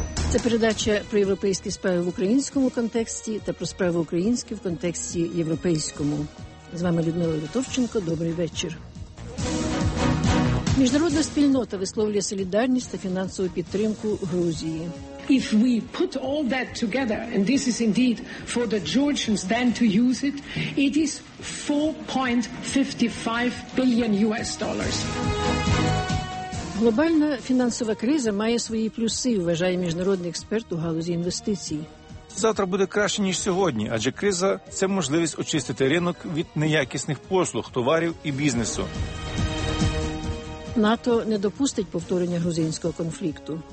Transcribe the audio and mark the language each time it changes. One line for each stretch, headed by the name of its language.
Ukrainian: Це передача про європейські справи в українському контексті та про справи українські в контексті європейському. З вами Людмила Литовченко. Добрий вечір. Міжнародна спільнота висловлює солідарність та фінансову підтримку Грузії.
English: If we put all that together, and this is indeed for the Georgians then to use it, it is $4.55 billion.
Ukrainian: Глобальна фінансова криза має свої плюси, вважає міжнародний експерт у галузі інвестицій. Завтра буде краще, ніж сьогодні, адже криза – це можливість очистити ринок від неякісних послуг, товарів і бізнесу. НАТО не допустить повторення грузинського конфлікту.